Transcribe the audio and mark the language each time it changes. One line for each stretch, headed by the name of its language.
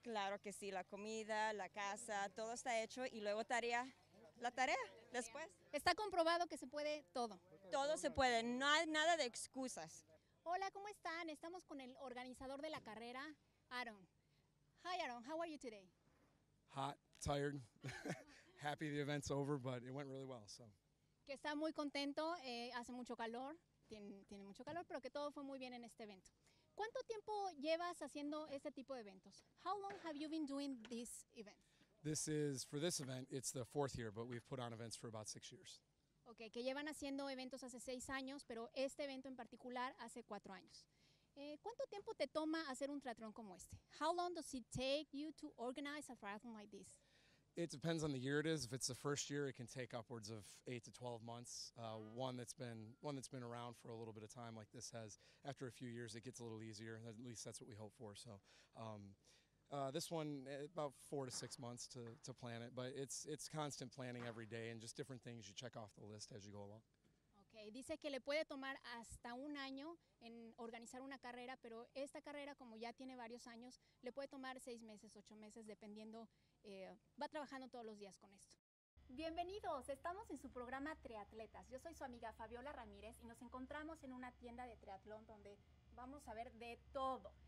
Spanish: Claro que sí, la comida, la casa, todo está hecho y luego tarea, la tarea después. Está comprobado que se puede todo. Todo se puede, no hay nada de excusas. Hola, ¿cómo están? Estamos con el organizador de la carrera, Aaron.
English: Hi, Aaron. How are you today? Hot, tired, happy the event's over, but it went really well, so.
Spanish: Que está muy contento, hace mucho calor, tiene mucho calor, pero que todo fue muy bien en este evento. ¿Cuánto tiempo llevas haciendo este tipo de eventos?
English: How long have you been doing this event? This is, for this event, it's the 4th year, but we've put on events for about 6 years.
Spanish: Okay, que llevan haciendo eventos hace 6 años, pero este evento en particular hace 4 años. ¿Cuánto tiempo te toma hacer un triatlón como este?
English: How long does it take you to organize a triathlon like this? It depends on the year it is. If it's the first year, it can take upwards of 8 to 12 months. One that's been around for a little bit of time like this has, after a few years, it gets a little easier. At least that's what we hope for. So, this one, about 4 to 6 months to plan it, but it's constant planning every day and just different things you check off the list as you go along.
Spanish: Okay, dice que le puede tomar hasta un año en organizar una carrera, pero esta carrera, como ya tiene varios años, le puede tomar 6 meses, 8 meses, dependiendo, va trabajando todos los días con esto. Bienvenidos, estamos en su programa Triatletas. Yo soy su amiga Fabiola Ramírez y nos encontramos en una tienda de triatlón donde vamos a ver de todo.